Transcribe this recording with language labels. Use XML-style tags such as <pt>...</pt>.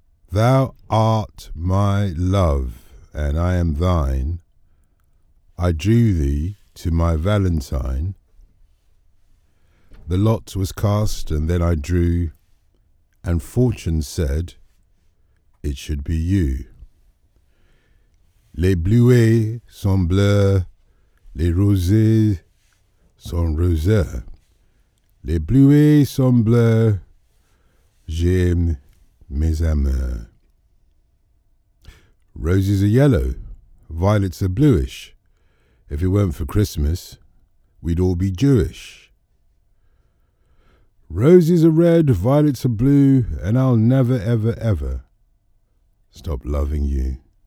<en>Thou art my love, and I am thine. I drew thee to my Valentine. The lot was cast, and then I drew, and fortune said it should be you.</en> <fr>Les bleuets sont bleus, les rosés sont roses. Les bleuets sont bleus, j'aime mes amours.</fr> <en>Roses are yellow, violets are bluish. If it weren't for Christmas, we'd all be Jewish. Roses are red, violets are blue, and I'll never, ever, ever stop loving you.</en>